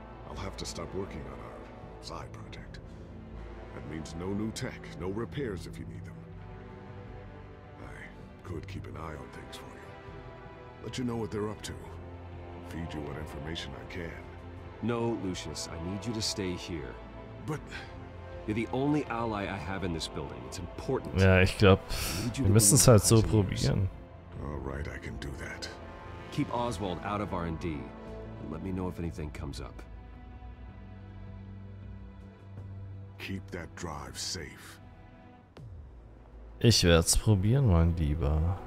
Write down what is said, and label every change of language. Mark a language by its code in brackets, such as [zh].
[en] I'll have to stop working on our side project. That means no new tech, no repairs if you need them. I could keep an eye on things for you. Let you know what they're up to. Feed you what information I can. No, Lucius, I need you to stay here. But... You're the only ally I have in this building. It's important. [de] Ja, ich glaube, wir müssen es halt so probieren. [en] All right, I can do that. Keep Oswald out of R&D. And let me know if anything comes up. Keep that drive safe. [de] Ich werde es probieren, mein Lieber.